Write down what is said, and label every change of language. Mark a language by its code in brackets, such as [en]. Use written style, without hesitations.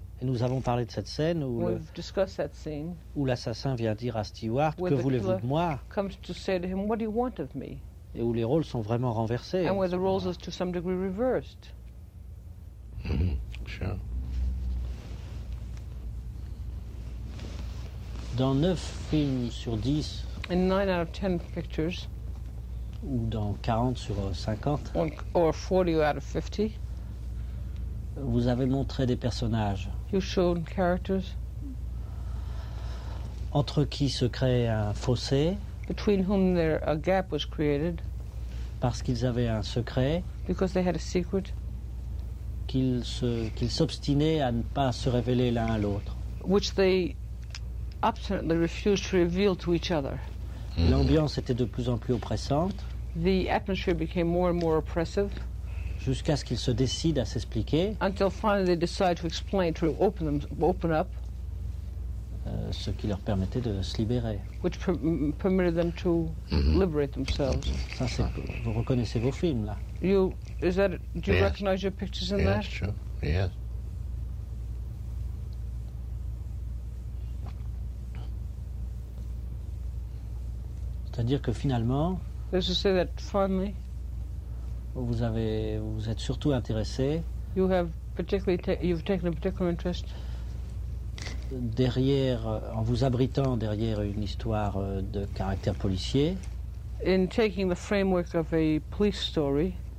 [fr] Et nous avons parlé de cette scène où, où l'assassin vient dire à Stewart que voulez-vous de moi [en] comes to say to him, what do you want of me? [fr] Et où les rôles sont vraiment renversés. [en] And where the roles are to some degree reversed. Sure. [fr] Dans 9 films sur 10, [en] in 9 out of 10 pictures, [fr] ou dans 40 sur 50, [en] or 40 out of 50, [fr] vous avez montré des personnages. [en] You've shown characters [fr] entre qui se crée un fossé, [en] between whom there a gap was created, [fr] parce qu'ils avaient un secret, [en] because they had a secret, [fr] qu'ils s'obstinaient à ne pas se révéler l'un à l'autre, [en] which they obstinately refused to reveal to each other. [fr] L'ambiance était de plus en plus oppressante, [en] the atmosphere became more and more oppressive, [fr] jusqu'à ce qu'ils se décident à s'expliquer. [en] Until finally they decide to explain, to open them, open up. [fr] Ce qui leur permettait de se libérer. [en] Which permitted them to liberate themselves. [fr] Ça, c'est, vous reconnaissez vos films, là. [en] You, is that, do you recognize your pictures in that? Yes, sure, yes. [fr] C'est-à-dire que finalement, [en] is to say that finally, [fr] vous êtes surtout intéressé. [en] You have particularly you've taken a particular interest. [fr] Derrière, en vous abritant derrière une histoire de caractère policier. [en] In taking the framework of a police story.